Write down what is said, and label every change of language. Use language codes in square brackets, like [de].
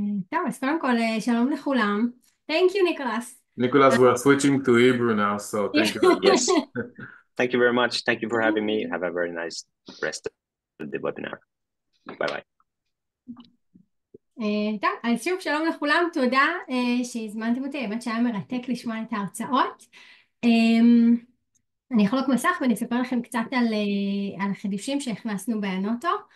[he] טוב, אז קודם כל, שלום לכולם. [en] Thank you, ניקולס. ניקולס, we are switching to Hebrew now, so thank you. Yes. Thank you very much. Thank you for having me. Have a very nice rest of the webinar. Bye-bye. [he] טוב, אז שוב שלום לכולם, תודה שהזמנתם אותי, האמת שהיה מרתק לשמוע את ההרצאות. אני אחלוק מסך ואני אספר לכם קצת על החידושים שהכנסנו באנוטו.